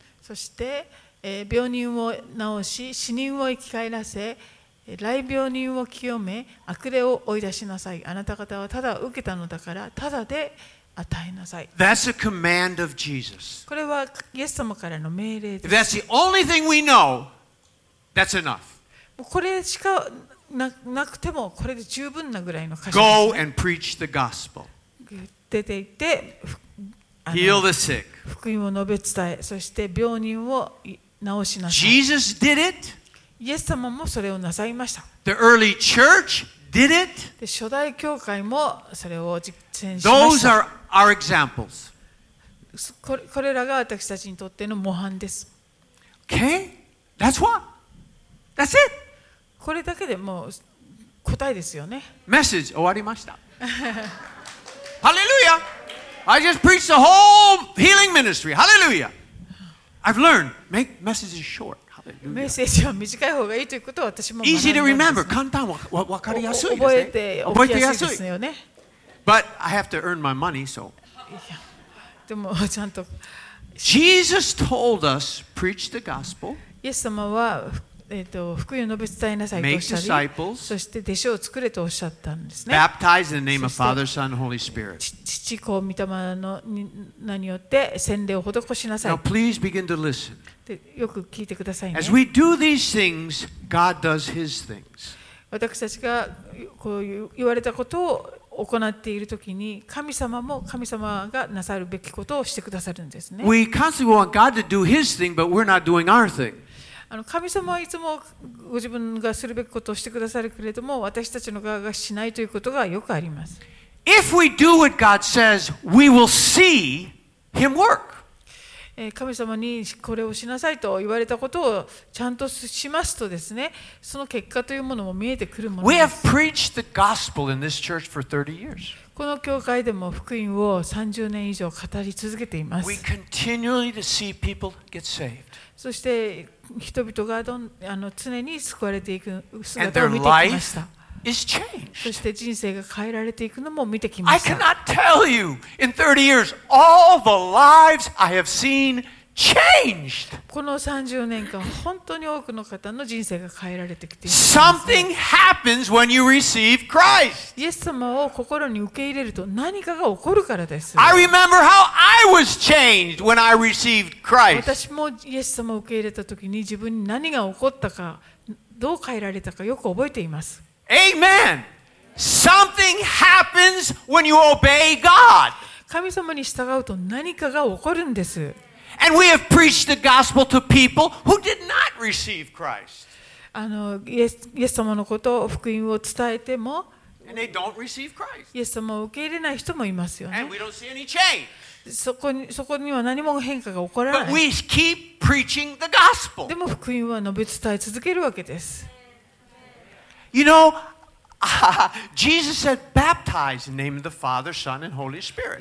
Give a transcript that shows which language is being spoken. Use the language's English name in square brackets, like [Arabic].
[Japanese] そして、病人を治し、死人を生き返らせ、雷病人を清め、悪霊を追い出しなさい。あなた方はただ受けたのだから、ただで与えなさい。 [English] That's a command of Jesus. [Japanese] これはイエス様からの命令です。 [English] If that's the only thing we know, that's enough. [Japanese] これしか…なくてもこれで十分なぐらいの箇所です、ね。 [English] Go and preach the gospel. [Japanese] 出て行って、 [English] heal the sick. [Japanese] 福音を述べ伝え、そして病人を治しなさい。 [English] Jesus did it. [Japanese] イエス様もそれをなさいました。 [English] The early church did it. [Japanese] で初代教会もそれを実践しました。 [English] Those are our examples. [Japanese] これらが私たちにとっての模範です。 [English] Okay, that's what. That's it. [Japanese] これだけでもう答えですよね。メッセージ終わりました。 [English] ハレルヤ。I just preached the whole healing ministry. ハレルヤ。 I've learned make messages short. [Japanese] メッセージは短い方がいいということを私も学んだんです。 [English] Easy to remember. [Japanese] 簡単わかりやすいですね。覚えてやすいですよね。 [English] But I have to earn my money, so. [Japanese] でもちゃんと。 [English] Jesus told us preach the gospel. [Japanese] イエス様は福音を述べ伝えなさいとおっしゃり、そして弟子を作れとおっしゃったんですね。 [English] Baptize in the name of Father, Son, Holy Spirit. [Japanese] 父子御霊の名によって洗礼を施しなさい。 [English] Now please begin to listen. [Japanese] よく聞いてくださいね。 [English] As we do these things, God does His things. [Japanese] 私たちがこう言われたことを行っているときに、神様も神様がなさるべきことをしてくださるんですね。 [English] We constantly want God to do His thing, but we're not doing our thing. [Japanese] 神様はいつもご自分がするべきことをしてくださるけれども、私たちの側がしないということがよくあります。 [English] If we do what God says, we will see Him work. [Japanese] 神様にこれをしなさいと言われたことをちゃんとしますとですね、その結果というものも見えてくるものです。 [English] We have preached the gospel in this church for 30 years. [Japanese] この教会でも福音を30年以上語り続けています。 [English] We continually to see people get saved. [Japanese] そして人々が常に救われていく姿を見てきました。そして人生が変えられていくのも見てきました。 [English] I cannot tell you in 30 years all the lives I have seen changed. [Japanese] この30年間本当に多くの方の人生が変えられてきています [English] 。 Something happens when you receive Christ. [Japanese] イエス様を心に受け入れると何かが起こるからです。 [English] I remember how I was changed when I received Christ. [Japanese] 私もイエス様を受け入れた時に自分に何が起こったか、どう変えられたかよく覚えています。 [English] Amen. Something happens when you obey God. [Japanese] 神様に従うと何かが起こるんです。 [English] And we have preached the gospel to people who did not receive Christ. [Japanese] イエス様のことを福音を伝えても、 [English] And they don't receive Christ. [Japanese] イエス様を受け入れない人もいますよね。 [English] And we don't see any change. [Japanese] そこには何も変化が起こらない。 [English] But we keep preaching the gospel. [Japanese] でも福音は述べ伝え続けるわけです。 [English] You know,Jesus said, "Baptize in the name of the Father, Son, and Holy Spirit."